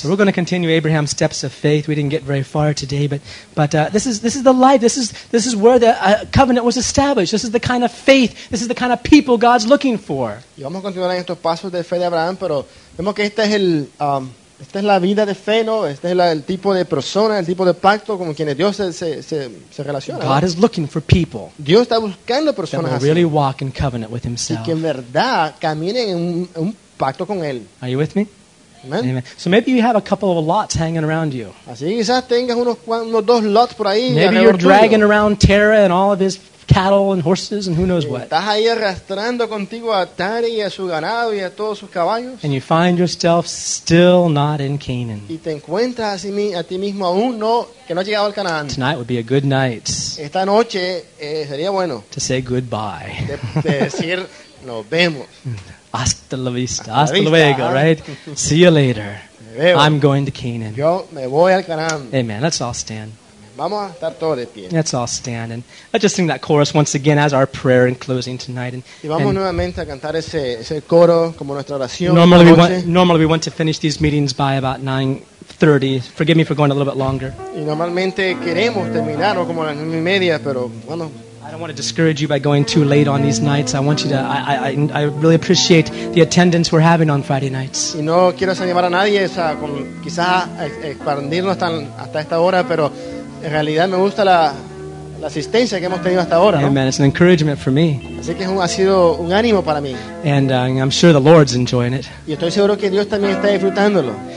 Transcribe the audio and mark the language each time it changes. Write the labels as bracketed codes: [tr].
[en] So we're going to continue Abraham's steps of faith. We didn't get very far today, but this is the life. This is where the covenant was established. This is the kind of faith. This is the kind of people God's looking for. [es] Y vamos a continuar en estos pasos de fe de Abraham, pero vemos que este es el esta es la vida de fe, ¿no? Este es el tipo de persona, el tipo de pacto con quien Dios se relaciona. [en] God is looking for people. [es] Dios está buscando personas [en] that really walk in covenant with himself. [es] Y que en verdad caminen en un pacto con él. [en] Are you with me? Amen. Amen. So maybe you have a couple of lots hanging around you. [es] Así quizás tengas unos dos lots por ahí. [en] Maybe you're dragging around Terah and all of his cattle and horses and who knows what. [es] Estás ahí arrastrando contigo a Tare y a su ganado y a todos sus caballos. [en] And you find yourself still not in Canaan. [es] Y te encuentras a ti mismo aún no que no has llegado al Canaán. [en] Tonight would be a good night. [es] Esta noche sería bueno. [en] To say goodbye. [es] De decir nos vemos. Hasta la vista. Hasta luego. [en] Right. See you later. I'm going to Canaan. [es] Yo me voy al Canaán. [en] Amen. Let's all stand. [es] Vamos a estar todos de pie. [en] Let's all stand and let's just sing that chorus once again as our prayer in closing tonight. And [es] y vamos nuevamente a cantar ese coro como nuestra oración. [en] Normally we want to finish these meetings by about 9:30. 9:30. Forgive me for going a little bit longer. [es] Y normalmente queremos terminar como a las 9:30, pero bueno. [en] I don't want to discourage you by going too late on these nights. I want you to. I really appreciate the attendance we're having on Friday nights. [es] Y no quiero desanimar a nadie, o sea, con, quizás expandirnos hasta esta hora, pero en realidad me gusta la asistencia que hemos tenido hasta ahora. Amen. ¿No? [en] It's an encouragement for me. [es] Así que ha sido un ánimo para mí. [en] And I'm sure the Lord's enjoying it. [es] Y estoy seguro que Dios también está disfrutándolo.